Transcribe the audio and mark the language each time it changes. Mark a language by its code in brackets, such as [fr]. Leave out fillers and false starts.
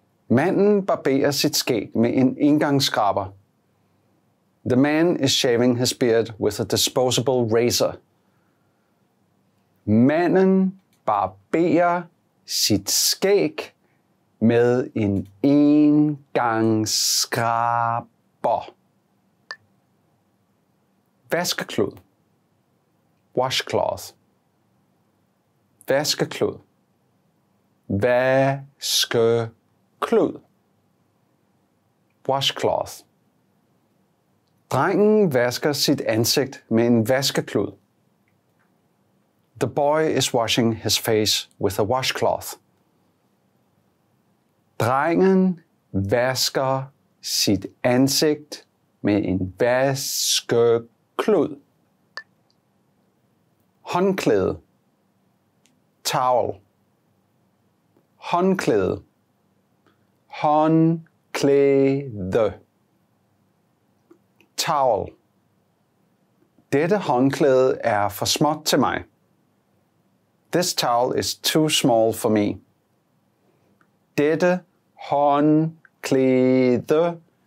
[da] Manden barberer sit skæg med en engangsskraber. [en] The man is shaving his beard with a disposable razor. [da] Manden barberer sit skæg med en engangsskraber. Vaskeklud. [en] Washcloth. [da] Vaskeklud. Vaskeklud. Klud. [en] Washcloth. [da] Drengen vasker sit ansigt med en vaskeklud. [en] The boy is washing his face with a washcloth. [da] Drengen vasker sit ansigt med en vaskeklud. Håndklæde. [en] Towel. [da] Håndklæde. Håndklæde. [en] Towel. [da] Dette håndklæde er for småt til mig. [en] This towel is too small for me. [da] Dette håndklæde